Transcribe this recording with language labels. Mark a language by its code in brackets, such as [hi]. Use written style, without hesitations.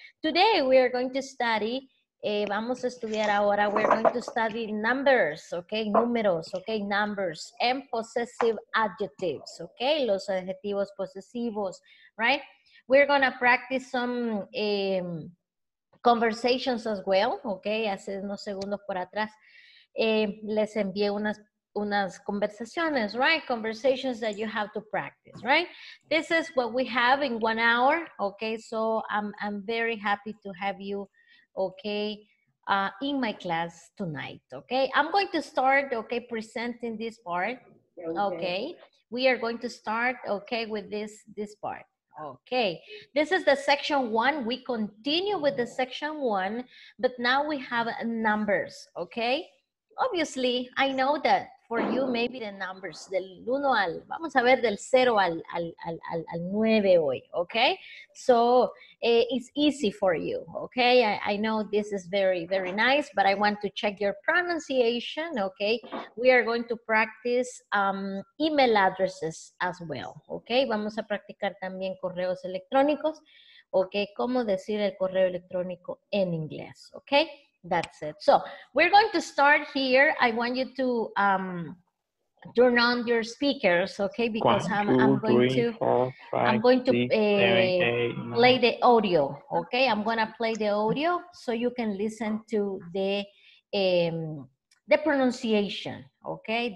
[en] Today we are going to study, [es] vamos a estudiar ahora, [en] we're going to study numbers, okay? Números, okay? Numbers and possessive adjectives, okay? [es] Los adjetivos posesivos, right? [en] We're gonna practice some conversations as well, okay? [es] Hace unos segundos por atrás les envié unas conversaciones, right? [en] Conversations that you have to practice, right? This is what we have in 1 hour, okay? So I'm very happy to have you, okay, in my class tonight, okay? I'm going to start, okay, presenting this part, okay? We are going to start, okay, with this part. Okay, this is the section one. We continue with the section one, but now we have numbers, okay? Obviously, I know that for you, maybe the numbers, [es] del uno al, vamos a ver, del cero al nueve hoy, okay? [en] So, it's easy for you, okay? I know this is very, very nice, but I want to check your pronunciation, okay? We are going to practice email addresses as well, okay? [es] Vamos a practicar también correos electrónicos, okay? ¿Cómo decir el correo electrónico en inglés, okay? [en] That's it. So we're going to start here. I want you to turn on your speakers, okay? Because I'm going to play the audio, okay? I'm going to play the audio so you can listen to the pronunciation, okay?